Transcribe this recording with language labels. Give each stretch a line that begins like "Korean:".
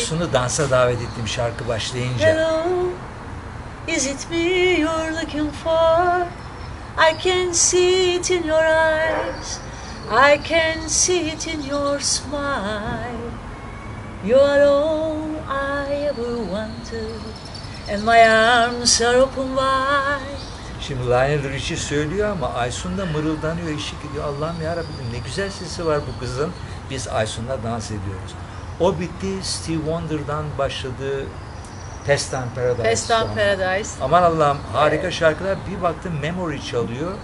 Turkish: Aysun'u dansa davet ettim şarkı başlayınca.
English: Hello, is it me you're looking for? I can see it in your eyes, I can see it in your smile. You are all I ever wanted, and my arms are open wide.
Turkish: Şimdi Lionel Richie söylüyor ama Aysun da mırıldanıyor, işi gidiyor. Allah'ım yarabbim ne güzel sesi var bu kızın. Biz Aysun'la dans ediyoruz. O bitti, Stevie Wonder'dan başladı.
English: Pest on Paradise. Pest on Paradise.
Turkish: Aman Allah'ım harika şarkılar. Bir baktım Memory çalıyor.